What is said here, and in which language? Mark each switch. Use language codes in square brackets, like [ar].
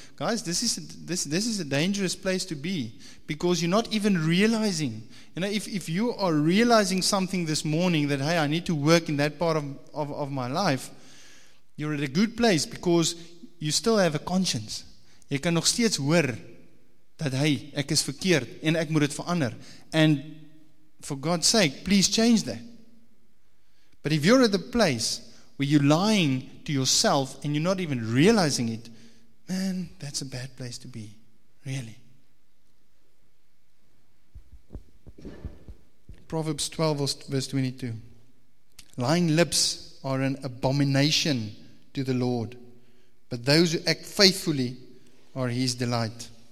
[en] Guys, this is a dangerous place to be, because you're not even realizing. You know, if you are realizing something this morning that, hey, I need to work in that part of my life, you're at a good place, because you still have a conscience. [af] Jy kan nog steeds hoor dat, hey, ek is verkeerd en ek moet het verander. [en] And for God's sake, please change that. But if you're at the place where you're lying to yourself and you're not even realizing it, man, that's a bad place to be. Really. Proverbs 12 verse 22. Lying lips are an abomination to the Lord, but those who act faithfully are his delight.